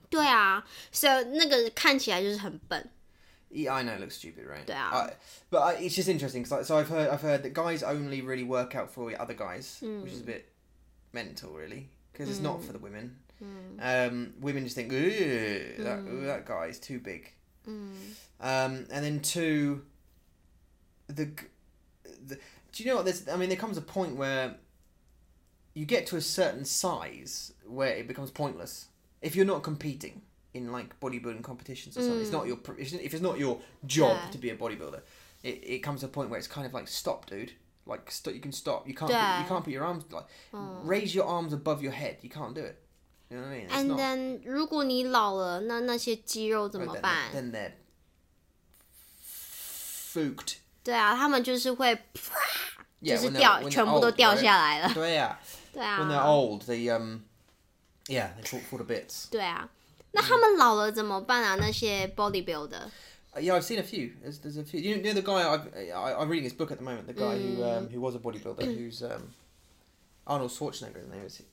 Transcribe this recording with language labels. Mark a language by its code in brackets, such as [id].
[zh] 对啊 ， [en] so [zh] 那个看起来就是很笨。 [en] Yeah, I know, it looks stupid, right? [zh] 对啊。 [en] But it's just interesting, so I've heard that guys only really work out for other guys, which is a bit mental, really, because it's not for the women. Women just think, that guy is too big. And then two, do you know what there's I mean there comes a point where you get to a certain size where it becomes pointless if you're not competing in like bodybuilding competitions or something if it's not your job to be a bodybuilder it comes to a point where it's kind of like stop dude like stop you can stop you can't put, you can't put your arms like raise your arms above your head you can't do it you know what I mean、 it's、and not, then [zh] 如果你老了那那些肌肉怎么办 [en] then they're fooked [zh] 对啊，他们就是会，就是掉， [en] when they're old, [zh] 全部都掉下来了。 [en] Right? [zh] 对啊，对啊。 [en] When they're old, they they fall to bits. [zh] 对啊，那他们老了怎么办啊？那些 bodybuilder? [en] Yeah, I've seen a few. There's a few. You know the guy I'm reading his book at the moment. The guy who was a bodybuilder, who's Arnold Schwarzenegger. His name is.